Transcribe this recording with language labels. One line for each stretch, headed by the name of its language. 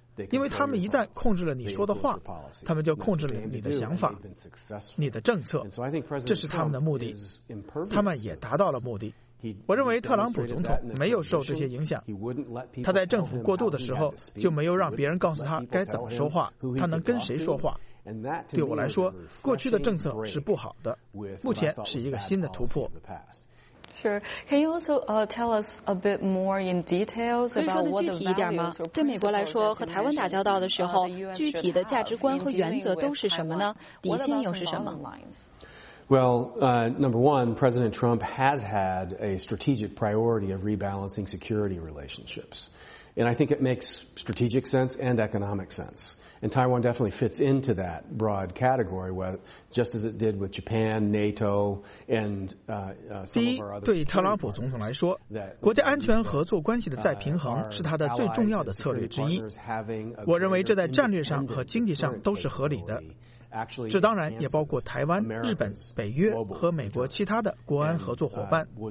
Chinese: 因为他们一旦控制了你说的话，他们就控制了你的想法、你的政策，这是他们的目的，他们也达到了目的。我认为特朗普总统没有受这些影响，他在政府过渡的时候就没有让别人告诉他该怎么说话，他能跟谁说话。对我来说，过去的政策是不好的，目前是一个新的突破。
English: Sure. Can you also tell us a bit more in details about what the values or principles that you mentioned?
Chinese: 对美国来说，和台湾打交道的时候，具体的价值观和原则都是什么呢？底线又是什么？
English: Well, number one, President Trump has had a strategic priority of rebalancing security relationships, and I think it makes strategic sense and economic sense. And Taiwan definitely fits into that broad category, just as it did with Japan, NATO, and some of our other.
Chinese: 第一，对特朗普总统来说，国家安全合作关系的再平衡是他的最重要的策略之一。我认为这在战略上和经济上都是合理的。这当然也包括台湾、日本、北约和美国其他的国安合作伙伴。